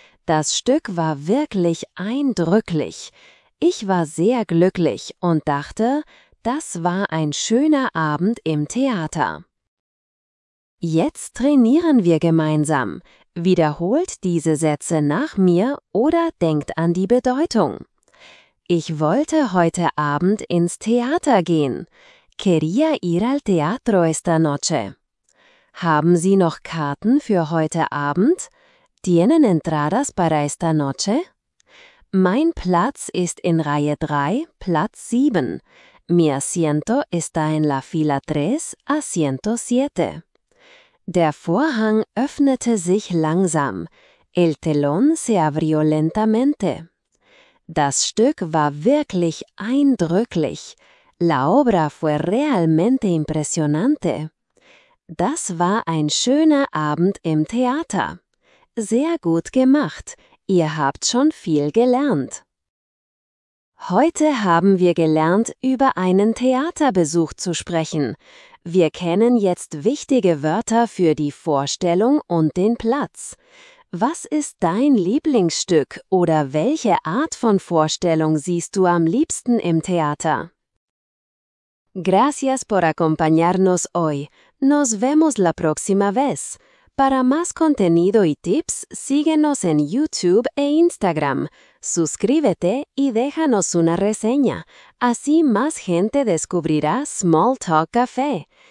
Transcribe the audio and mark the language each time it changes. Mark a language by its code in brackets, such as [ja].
[de] Das Stück war wirklich eindrücklich. Ich war sehr glücklich und dachte, das war ein schöner Abend im Theater. Jetzt trainieren wir gemeinsam. Wiederholt diese Sätze nach mir oder denkt an die Bedeutung. Ich wollte heute Abend ins Theater gehen. [es] Quería ir al teatro esta noche. [de] Haben Sie noch Karten für heute Abend? [es] ¿Tienen entradas para esta noche? [de] Mein Platz ist in Reihe 3, Platz 7. [es] Mi asiento está en la fila 3, asiento 7. [de] Der Vorhang öffnete sich langsam. [es] El telón se abrió lentamente. [de] Das Stück war wirklich eindrücklich. [es] La obra fue realmente impresionante. [de] Das war ein schöner Abend im Theater. Sehr gut gemacht. Ihr habt schon viel gelernt. Heute haben wir gelernt, über einen Theaterbesuch zu sprechen. Wir kennen jetzt wichtige Wörter für die Vorstellung und den Platz. Was ist dein Lieblingsstück oder welche Art von Vorstellung siehst du am liebsten im Theater? [es] Gracias por acompañarnos hoy. Nos vemos la próxima vez. Para más contenido y tips, síguenos en YouTube e Instagram. Suscríbete y déjanos una reseña. Así más gente descubrirá Small Talk Café.